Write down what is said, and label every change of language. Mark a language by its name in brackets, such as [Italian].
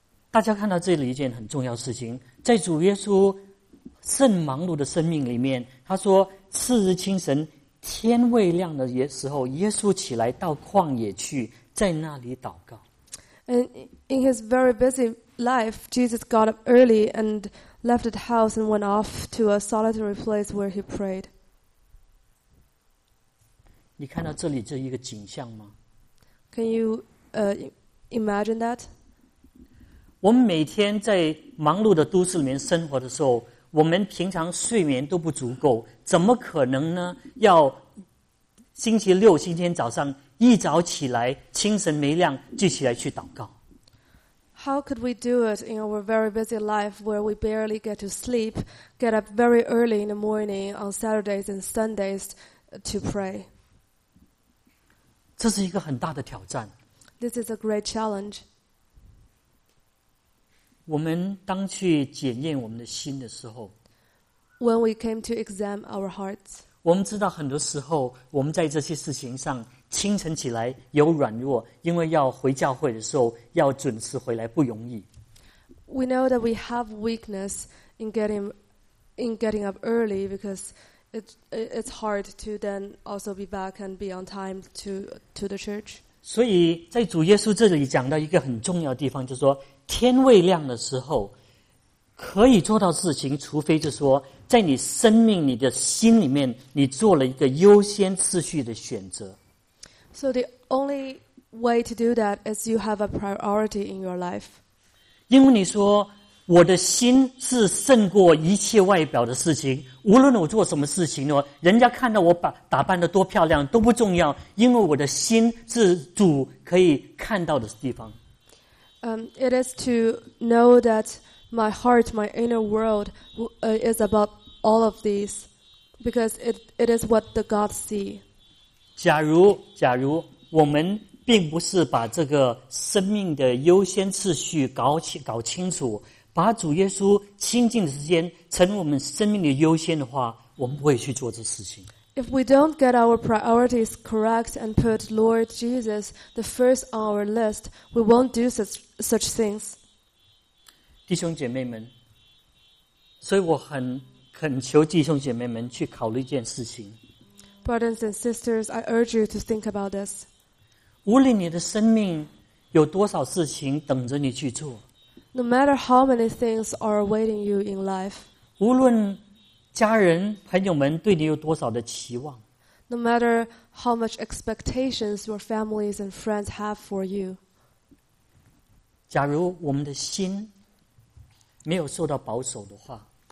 [Chinese] 大家看到这里一件很重要事情，在主耶稣甚忙碌的生命里面，他说：“次日清晨，天未亮的时候，耶稣起来到旷野去，在那里祷告。” [English] And in his very busy life, Jesus got up early and left the house and went off to a solitary place where he prayed. [Chinese] 你看到这里这一个景象吗？ [English] Can you imagine that? [Chinese] 我们每天在忙碌的都市里面生活的时候，我们平常睡眠都不足够，怎么可能呢？要星期六、星期天早上一早起来，清晨没亮就起来去祷告。 [English] How could we do it in our very busy life where we barely get to sleep, get up very early in the morning on Saturdays and Sundays to pray? [Chinese] 这是一个很大的挑战。 [English] This is a great challenge. [Chinese] 我们当去检验我们的心的时候， [English] When we came to examine our hearts, [Chinese] 我们知道很多时候我们在这些事情上清晨起来有软弱，因为要回教会的时候要准时回来不容易。 [English] We know that we have weakness in getting up early because it's hard to then also be back and be on time to the church. [Chinese] 所以在主耶稣这里讲到一个很重要的地方，就是说天未亮的时候可以做到事情，除非就是说在你生命、你的心里面，你做了一个优先次序的选择。 [English] So the only way to do that is you have a priority in your life. [Chinese] 因为你说我的心是胜过一切外表的事情，无论我做什么事情呢，人家看到我打扮得多漂亮都不重要，因为我的心是主可以看到的地方。 [English] It is to know that my heart, my inner world, is above all of these, because it is what the God see. [Chinese] 假如我们并不是把这个生命的优先次序搞清楚，把主耶稣亲近的时间成为我们生命的优先的话，我们不会去做这事情。 [English] If we don't get our priorities correct and put Lord Jesus the first on our list, we won't do such things. [Chinese] 弟兄姐妹们，所以我很恳求弟兄姐妹们去考虑一件事情。 [English] Brothers and sisters, I urge you to think about this. [Chinese] 无论你的生命有多少事情等着你去做。 [English] No matter how many things are awaiting you in life. [Chinese] 无论家人朋友们对你有多少的期望。 [English] No matter how much expectations your families and friends have for you. [Chinese] 假如我们的心没有受到保守的话。